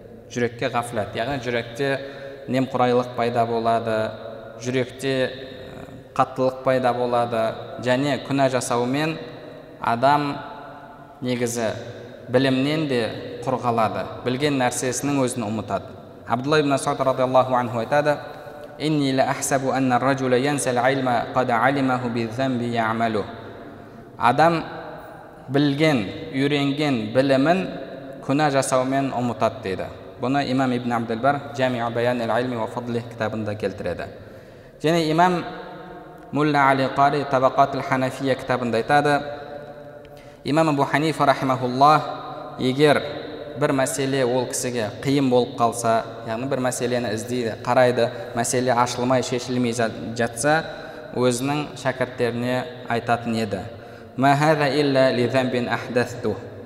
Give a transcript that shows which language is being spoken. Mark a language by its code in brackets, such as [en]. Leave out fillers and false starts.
[kk] Жүрекке ғафлет, яғни жүректе немқұрайлық пайда болады, жүректе қаттылық пайда болады, және күнә жасаумен адам негізі білімнен де құр қалады, білген нәрсесінің өзін ұмытады. [ar] Абдулла ибн Сауд радиаллаху анху айтады: إني لا أحسب أن الرجل ينسى العلم قد علمه بالذنب يعمله. [kk] Адам білген, үйренген білімін күнә жасаумен ұмытады деді. Бұны Имам Ибн Абдулбар Джамиу Баян аль-Илми ва Фадлихи кітабында келтіреді. Және Имам Мулла Али Қари Табақат аль-Ханафия кітабында айтады: Имам Абу Ханифа рахимахуллах, егер бір мәселе ол кісіге қиын болып қалса, яғни бір мәселені іздейді, қарайды, мәселе ашылмай, шешілмей жатса, өзінің шәкірттеріне айтатын еді: [ar] "Мә хаза илля ли замбин ахдасту."